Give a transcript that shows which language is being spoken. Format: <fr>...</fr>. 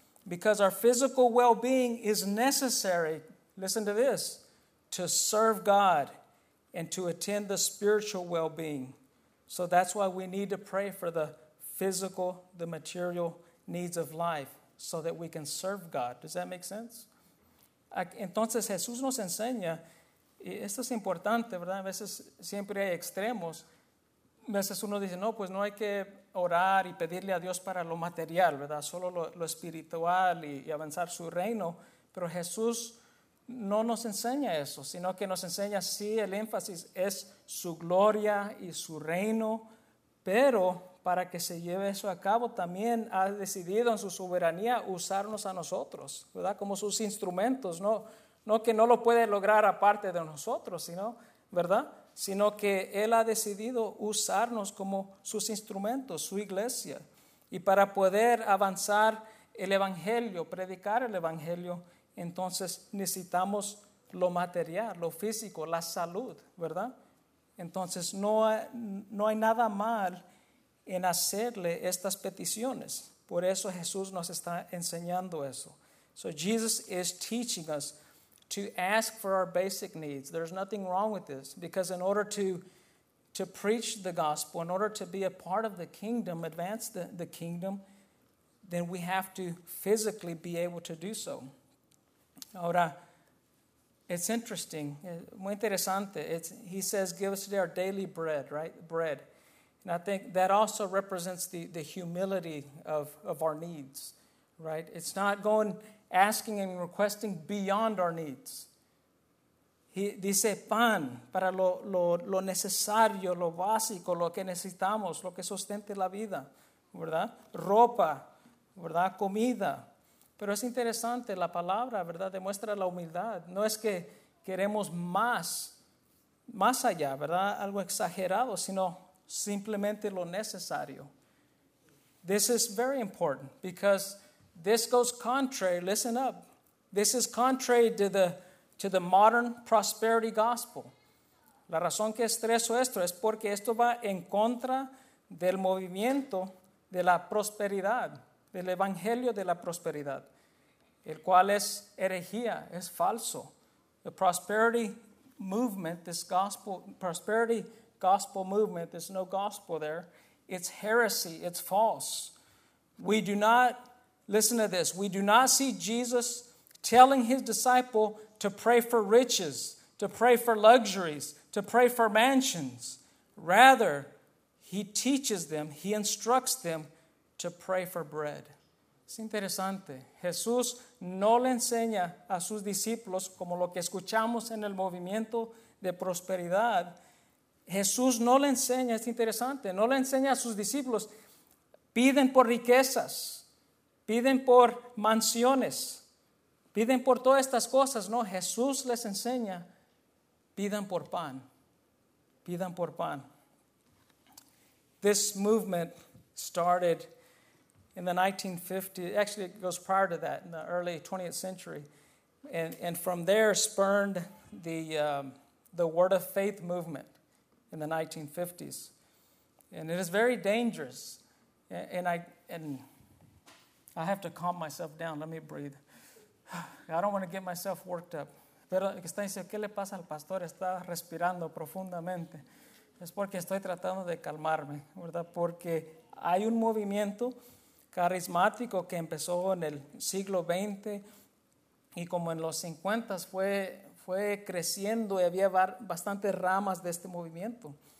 <en>Because our physical well-being is necessary, listen to this, to serve God and to attend the spiritual well-being. So that's why we need to pray for the physical, the material needs of life, so that we can serve God. Does that make sense?</en> <es>Entonces Jesús nos enseña, y esto es importante, ¿verdad? A veces siempre hay extremos. A veces uno dice, no, pues no hay que orar y pedirle a Dios para lo material, ¿verdad? Solo lo espiritual y avanzar su reino. Pero Jesús no nos enseña eso, sino que nos enseña, sí, el énfasis es su gloria y su reino, pero para que se lleve eso a cabo, también ha decidido en su soberanía usarnos a nosotros, ¿verdad? Como sus instrumentos, ¿no? No que no lo puede lograr aparte de nosotros, sino, ¿verdad? Sino que Él ha decidido usarnos como sus instrumentos, su iglesia, y para poder avanzar el evangelio, predicar el evangelio, entonces necesitamos lo material, lo físico, la salud, ¿verdad? Entonces no hay nada mal en hacerle estas peticiones. Por eso Jesús nos está enseñando eso.</es> <en>So Jesus is teaching us to ask for our basic needs. There's nothing wrong with this, because in order to preach the gospel, in order to be a part of the kingdom, advance the kingdom, then we have to physically be able to do so.</en> <es>Ahora,</es> <en>it's interesting,</en> <es>muy interesante.</es> <en>He says, give us today our daily bread, right? Bread. And I think that also represents the humility of our needs, right? It's not going asking and requesting beyond our needs.</en> <es>He dice pan para lo necesario, lo básico, lo que necesitamos, lo que sustente la vida, ¿verdad? Ropa, ¿verdad? Comida. Pero es interesante la palabra, ¿verdad? Demuestra la humildad. No es que queremos más allá, ¿verdad? Algo exagerado, sino simplemente lo necesario.</es> <en>This is very important because this goes contrary, listen up. This is contrary to the modern prosperity gospel.</en> <es>La razón que estreso esto es porque esto va en contra del movimiento de la prosperidad, del evangelio de la prosperidad, el cual es herejía, es falso.</es> <en>The prosperity movement, this gospel, prosperity gospel movement, there's no gospel there. It's heresy, it's false. We do not, listen to this, we do not see Jesus telling his disciple to pray for riches, to pray for luxuries, to pray for mansions. Rather, he teaches them, he instructs them to pray for bread.</en> <es>Es interesante. Jesús no le enseña a sus discípulos como lo que escuchamos en el movimiento de prosperidad. Jesús no le enseña, es interesante, no le enseña a sus discípulos, piden por riquezas, piden por mansiones, piden por todas estas cosas. No, Jesús les enseña, pidan por pan, pidan por pan.</es> <en>This movement started in the 1950s, actually it goes prior to that, in the early 20th century, and from there spurned the Word of Faith movement in the 1950s. And it is very dangerous. And I have to calm myself down. Let me breathe. I don't want to get myself worked up.</en> <es>Pero que está diciendo, ¿qué le pasa al pastor? Está respirando profundamente. Es porque estoy tratando de calmarme, ¿verdad? Porque hay un movimiento carismático que empezó en el siglo XX y como en los 50s fue creciendo y había bastantes ramas de este movimiento.</es>